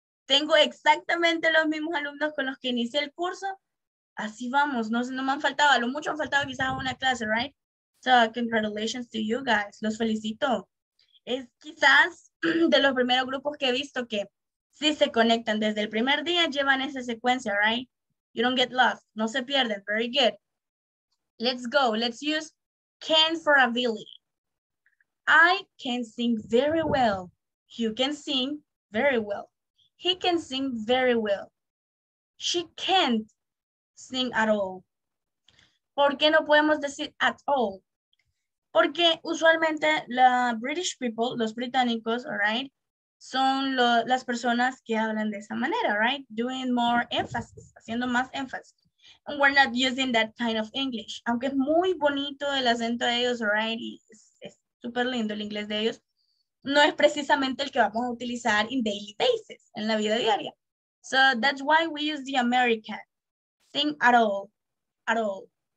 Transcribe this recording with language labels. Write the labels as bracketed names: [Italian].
[Spanish] Tengo exactamente los mismos alumnos con los que inicié el curso. Así vamos, no me han faltado, a lo mucho han faltado quizás una clase, right? [English] So, congratulations to you guys, [Spanish] los felicito. Es quizás de los primeros grupos que he visto que sí se conectan desde el primer día, llevan esa secuencia, right? [English] You don't get lost, [Spanish] no se pierden, [English] very good. Let's go, let's use can for ability. I can sing very well. You can sing very well. He can sing very well. She can't sing at all. [Spanish] ¿Por qué no podemos decir [English] at all? [Spanish] Porque usualmente la British people, los británicos, all right, son las personas que hablan de esa manera, right? [English] Doing more emphasis, [Spanish] haciendo más énfasis. [English] And we're not using that kind of English. [Spanish] Aunque es muy bonito el acento de ellos, all right? Súper lindo el inglés de ellos, no es precisamente el que vamos a utilizar [English] in daily basis, [Spanish] en la vida diaria. [English] So that's why we use the American. Sing at all, at all.